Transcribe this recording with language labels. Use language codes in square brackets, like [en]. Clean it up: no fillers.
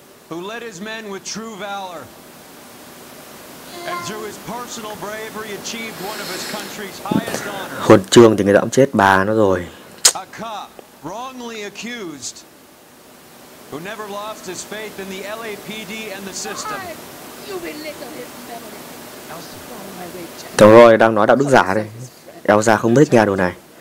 [en] Who led his men with true valor and through his personal bravery achieved one of his country's highest honors. [vi] Huân chương thì người ta cũng chết bà nó rồi. [en] A cop wrongly accused who never lost his faith in the LAPD and the system. You belittle his memory. Elsa, follow my way, Jack. [vi] Đúng rồi, đang nói đạo đức giả đây. Elsa không thích nghe đồ này.